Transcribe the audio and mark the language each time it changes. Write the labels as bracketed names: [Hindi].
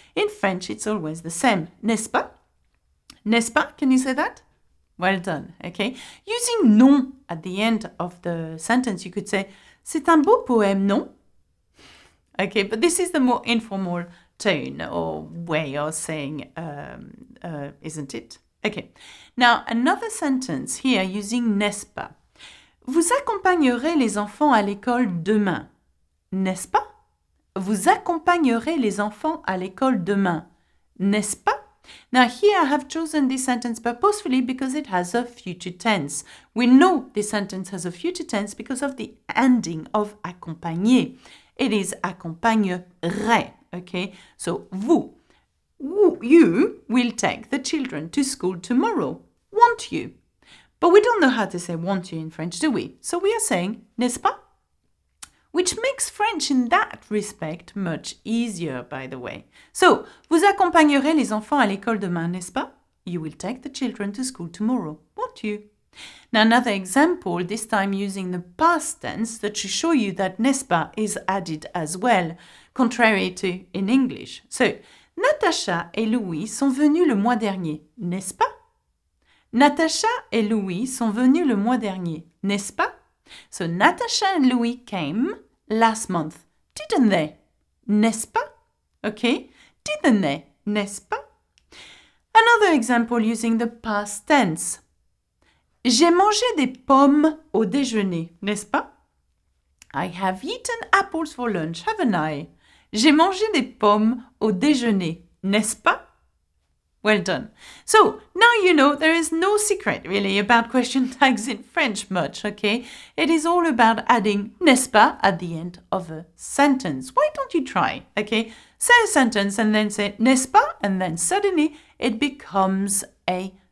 [English] In French, it's always the same. [French] N'est-ce pas? N'est-ce pas? [English] Can you say that? Well done. Okay. Using non at the end of the sentence, you could say, [French] c'est un beau poème, non? [English] Okay, but this is the more informal tone or way of saying, isn't it? Okay. Now, another sentence here using n'est-ce pas. [French] Vous accompagnerez les enfants à l'école demain, n'est-ce pas? Vous accompagnerez les enfants à l'école demain, n'est-ce pas? [English] Now here I have chosen this sentence purposefully because it has a future tense. We know this sentence has a future tense because of the ending of accompagner. It is accompagnerai, okay? So vous, you will take the children to school tomorrow, won't you? But we don't know how to say won't you in French, do we? So we are saying n'est-ce pas? Which makes French in that respect much easier, by the way. [French] So, vous accompagnerez les enfants à l'école demain, n'est-ce pas? [English] You will take the children to school tomorrow, won't you? Now, another example, this time using the past tense, that should show you that n'est-ce pas is added as well, contrary to in English. [French] So, Natacha et Louis sont venus le mois dernier, n'est-ce pas? Natacha et Louis sont venus le mois dernier, n'est-ce pas? [English] So, Natacha and Louis came last month, didn't they? [French] N'est-ce pas? [English] Okay, didn't they? [French] N'est-ce pas? [English] Another example using the past tense. [French] J'ai mangé des pommes au déjeuner, n'est-ce pas? [English] I have eaten apples for lunch, haven't I? [French] J'ai mangé des pommes au déjeuner, n'est-ce pas? [English] Well done. So, now you know there is no secret really about question tags in French much, okay? It is all about adding n'est-ce pas at the end of a sentence. Why don't you try, okay? Say a sentence and then say n'est-ce pas, and then suddenly it becomes a